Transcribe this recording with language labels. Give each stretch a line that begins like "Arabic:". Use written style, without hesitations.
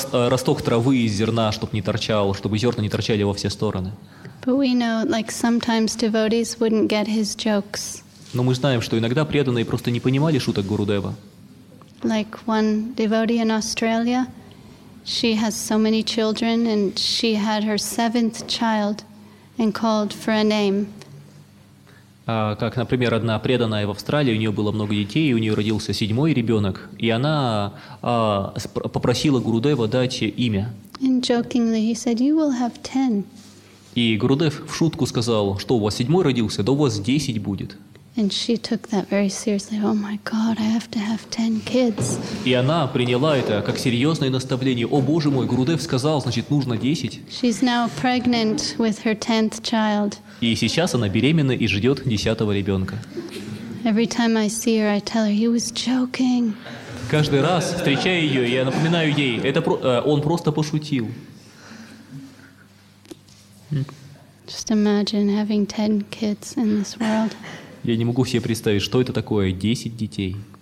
Russian: Росток травы из зерна, чтобы зерна не торчали во все стороны.
English: But we know, like sometimes devotees wouldn't get his jokes.
Russian: Но мы знаем, что иногда преданные просто не понимали шуток Гурудева.
English: Like one devotee in Australia, she has so many children, and she had her seventh child and called for a name.
Russian: Как, например, одна преданная в Австралии, у нее было много детей, и у нее родился седьмой ребенок, и она попросила Гурудева дать имя.
English: And jokingly he said, "You will have 10."
Russian: И Гурудев в шутку сказал, что у вас седьмой родился, да у вас 10 будет.
English: And she took that very seriously. Oh my God, I have to have 10 kids.
Russian: И она приняла это как серьезное наставление. О боже мой, Гурудев сказал, значит нужно 10.
English: She's now pregnant with her 10th child.
Russian: И сейчас она беременна и ждет 10-го ребенка.
English: Every time I see her, I tell her he was joking.
Russian: Каждый раз встречая ее, я напоминаю ей, он просто пошутил.
English: Just imagine having 10 kids in this world.
Russian: Я не могу себе представить, что это такое 10 детей.